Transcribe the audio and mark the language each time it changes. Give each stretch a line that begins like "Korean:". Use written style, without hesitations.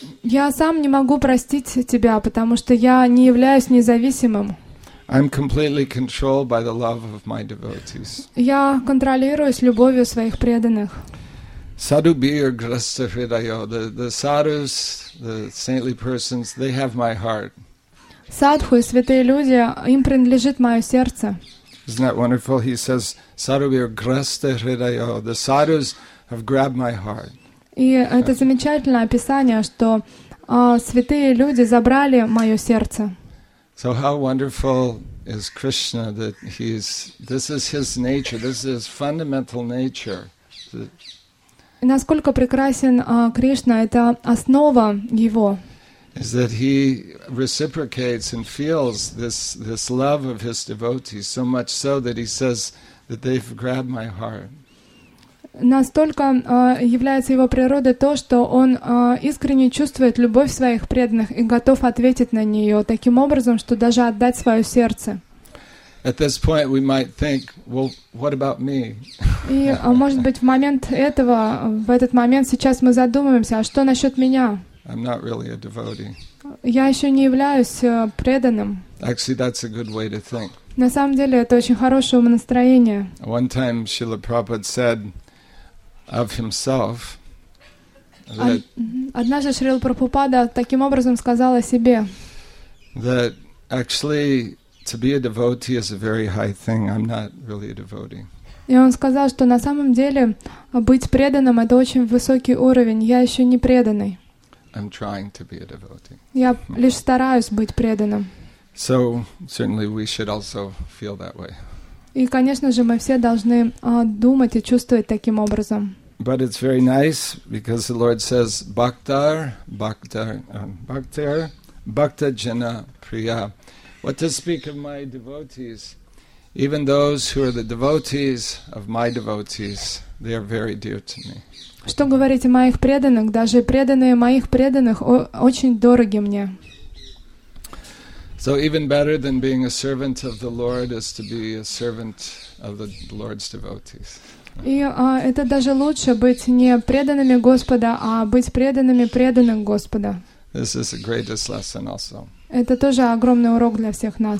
Russian: Я сам не могу простить тебя, потому что я не являюсь независимым.
English: I'm completely controlled by the love of my devotees.
Russian: Я контролируюсь любовью своих преданных.
Sanskrit: Sadhubir grasta hridayo.
English: The sadhus, the saintly persons, they have my heart.
Russian: Садху и святые люди, им принадлежит мое сердце.
English: Isn't that wonderful? He says,
Sanskrit: "Sadhubir grasta hridayo."
English: The sadhus have grabbed my heart.
Russian: И это замечательное описание, что святые люди забрали мое сердце.
English: So how wonderful is Krishna that he's this is his nature, this is his fundamental nature.
Russian: И насколько прекрасен Кришна, это основа его.
English: Is that he reciprocates and feels this love of his devotees so much so that he says that they've grabbed my heart.
Russian: Настолько является его природой то, что он искренне чувствует любовь своих преданных и готов ответить на нее таким образом, что даже отдать свое сердце.
English: At this point we might think, well, what about me?
Russian: И может быть в момент этого, в этот момент сейчас мы задумаемся, а что насчет меня?
English: I'm not really a devotee.
Russian: Я еще не являюсь преданным.
English: Actually, that's a good way to think.
Russian: На самом деле, это очень хорошее умонастроение.
English: One time Srila Prabhupada said of himself that
Russian: однажды Шрила Прабхупада таким образом сказал о себе.
English: That actually to be a devotee is a very high thing. I'm not really a devotee.
Russian: И он сказал, что на самом деле быть преданным это очень высокий уровень. Я еще не преданный.
English: I'm trying to be a devotee.
Russian: Я лишь стараюсь быть преданным.
English: So, certainly we should also feel that way.
Russian: И, конечно же, мы все должны думать и чувствовать таким образом.
English: But it's very nice because the Lord says
Sanskrit: bhaktar, bhakta jana priya.
English: What to speak of my devotees? Even those who are the devotees of my devotees, they are very dear to me.
Russian: Что говорить о моих преданных? Даже преданные моих преданных очень дороги мне.
English: So even better than being a servant of the Lord is to be a servant of the Lord's devotees.
Russian: И это даже лучше быть не преданными Господа, а быть преданными преданных Господа.
English: This is the greatest lesson also.
Russian: Это тоже огромный урок для всех нас.